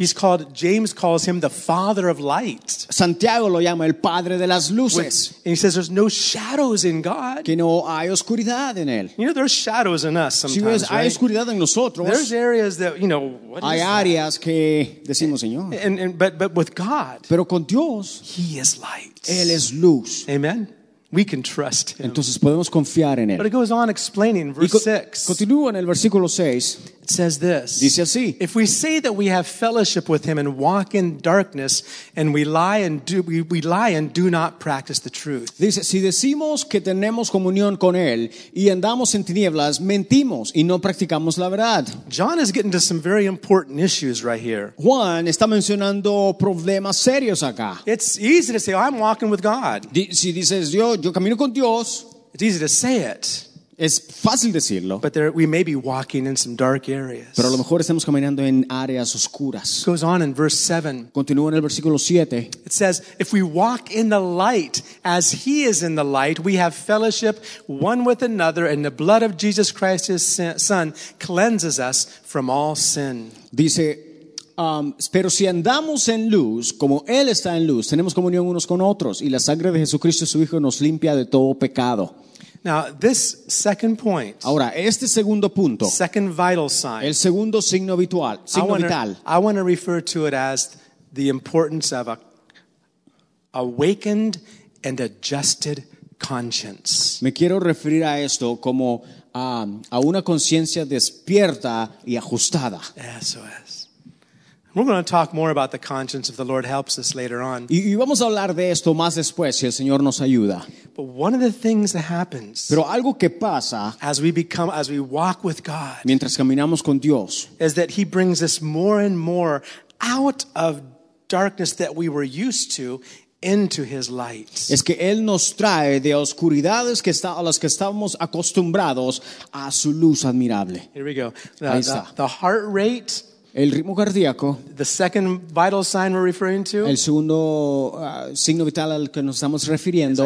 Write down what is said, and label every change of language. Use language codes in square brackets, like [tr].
[en] He's called, James calls him the father of light. [es] Santiago lo llama el padre de las luces. [en] And he says there's no shadows in God. [es] Que no hay oscuridad en él. [en] You know, there's shadows in us sometimes, [es] si ves, hay oscuridad en nosotros. [en] There's areas that, you know, what [es] hay [en] is [es] áreas [en] that? [es] Que decimos, Señor. [en] But with God, [es] pero con Dios, [en] he is light. [es] Él es luz. [en] Amen. We can trust him. [es] Entonces podemos confiar en él. [en] But it goes on explaining verse 6. [es] Continúa en el versículo 6. [en] It says this. [es] Dice así. [en] If we say that we have fellowship with him and walk in darkness and we lie and do not practice the truth. [es] Dice, si decimos que tenemos comunión con él y andamos en tinieblas, mentimos y no practicamos la verdad. [en] John is getting to some very important issues right here. [es] Juan está mencionando problemas serios acá. [en] It's easy to say, oh, I'm walking with God. [es] Si dices, yo camino con Dios. [en] It's easy to say it. [es] Es fácil decirlo. [en] But there, we may be walking in some dark areas. [es] Pero a lo mejor estamos caminando en áreas oscuras. [en] It goes on in verse 7. [es] Continúa en el versículo 7. [en] It says, if we walk in the light as he is in the light, we have fellowship one with another, and the blood of Jesus Christ, his son, cleanses us from all sin. [es] Dice, pero si andamos en luz, como él está en luz, tenemos comunión unos con otros, y la sangre de Jesucristo, su Hijo, nos limpia de todo pecado. [en] Now this second point. [es] Ahora, este segundo punto. [en] Second vital sign. [es] El segundo signo vital. Signo vital. [en] I want to refer to it as the importance of a awakened and adjusted conscience. [es] Me quiero referir a esto como a una conciencia despierta y ajustada. Eso es. [en] We're going to talk more about the conscience if the Lord helps us later on. [es] Y vamos a hablar de esto más después si el Señor nos ayuda. [en] But one of the things that happens, [es] pero algo que pasa, [en] as we walk with God, [es] mientras caminamos con Dios, [en] is that he brings us more and more out of darkness that we were used to into his light. [es] Es que él nos trae de oscuridades que está, a las que estábamos acostumbrados a su luz admirable. [en] Here we go. [es] Ahí está. [en] The heart rate. [es] El ritmo cardíaco, [en] the second vital sign we're referring to, [es] el segundo signo vital al que nos estamos refiriendo,